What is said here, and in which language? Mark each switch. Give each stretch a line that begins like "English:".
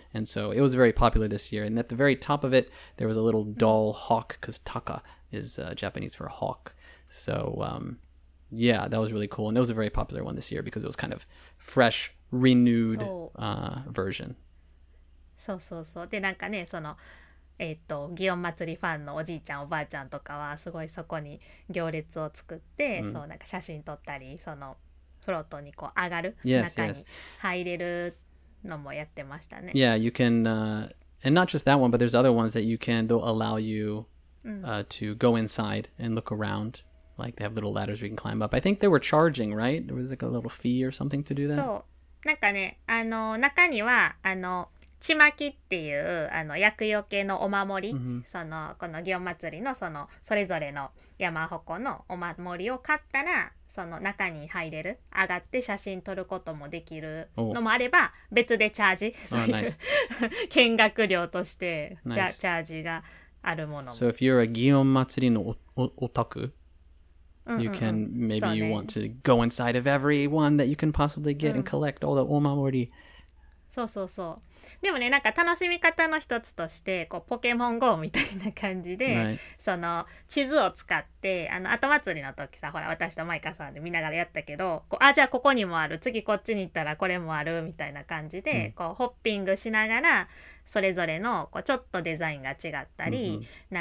English: And so it was very popular this year. And at the very top of it, there was a little doll hawk, because Taka is Japanese for hawk. So yeah, that was really cool. And it was a very popular one this year because it was kind of fresh, renewed version.
Japanese: そうそうそう。で、なんかね、その、祇園祭ファンのおじいちゃんおばあちゃんとかはすごいそこに行列を作って、mm. そう、なんか写真撮ったり、そのフロートにこう上がる、
English: yes,
Japanese: 中に入れるのもやってましたね。
English: Yeah, you can, and not just that one, but there's other ones that you can, they'll allow you、to go inside and look around. Like they have little ladders you can climb up. I think they were charging, right? There was like a little fee or something to do that?
Japanese: そう。なんかね、あの中にはあのちまきっていうあの厄除けのお守り、 mm-hmm. そのこの祇園祭りのそのそれぞれの山鉾のお守りを買ったら、その中に入れる、上がって写真撮ることもできるのもあれば、別でチャージ、そういう見学料としてチャージがあるものも。
English: So if you're a Gion
Japanese: 祭りのオタク、
English: you can, maybe you want to go inside of every one that you can possibly get and collect all the omamori.
Japanese: そうそうそう。でもね、なんか楽しみ方の一つとして、こうポケモン GO みたいな感じで、
English: right.
Japanese: その地図を使って、あの後祭りの時さ、ほら私とマイカさんで見ながらやったけど、こう、あ、じゃあここにもある、次こっちに行ったらこれもあるみたいな感じで、mm. こうホッピングしながら、それぞれのこうちょっとデザインが違ったり、mm-hmm.